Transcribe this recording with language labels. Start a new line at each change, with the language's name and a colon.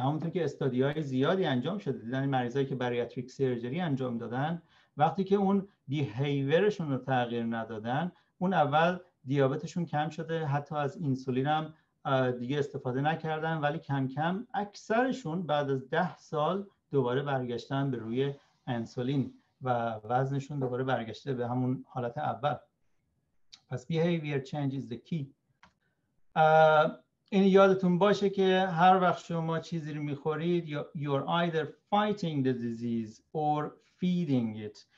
Persian: همونطور که استادیای زیادی انجام شده دیدن مریضایی که بریاتریک سرجری انجام دادن وقتی که اون بیهیویرشون رو تغییر ندادن، اون اول دیابتشون کم شده، حتی از اینسولین هم دیگه استفاده نکردن، ولی کم کم اکثرشون بعد از 10 سال دوباره برگشتن به روی انسولین و وزنشون دوباره برگشته به همون حالت اول. پس
English: behavior change is the key.
Persian: این یادتون باشه که هر وقت شما چیزی رو میخورید
English: you're either fighting the disease or feeding it.